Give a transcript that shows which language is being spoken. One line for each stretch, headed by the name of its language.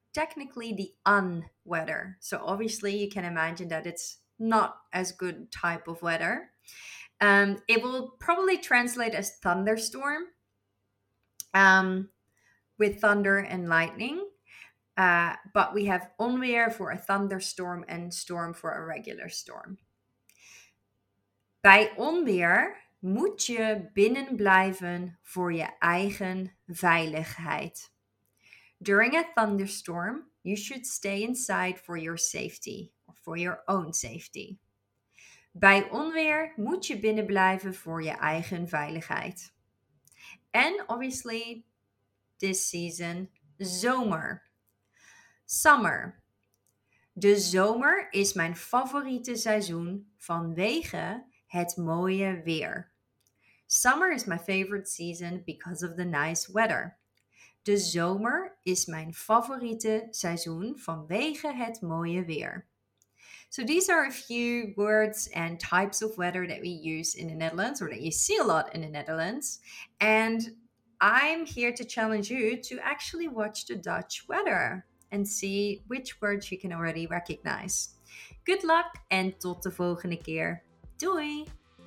English: Technically the unweather. So obviously you can imagine that it's not as good type of weather. It will probably translate as thunderstorm, with thunder and lightning. But we have onweer for a thunderstorm and storm for a regular storm.
Dutch: Bij onweer moet je binnen blijven voor je eigen veiligheid.
English: During a thunderstorm, you should stay inside for your safety, or for your own safety.
Dutch: Bij onweer moet je binnen blijven voor je eigen veiligheid.
English: And obviously, this season, zomer. Summer.
Dutch: De zomer is mijn favoriete seizoen vanwege het mooie weer.
English: Summer is my favorite season because of the nice weather.
Dutch: De zomer is mijn favoriete seizoen vanwege het mooie weer.
English: So these are a few words and types of weather that we use in the Netherlands, or that you see a lot in the Netherlands. And I'm here to challenge you to actually watch the Dutch weather and see which words you can already recognize. Good luck and
Dutch: tot de volgende keer. Doei!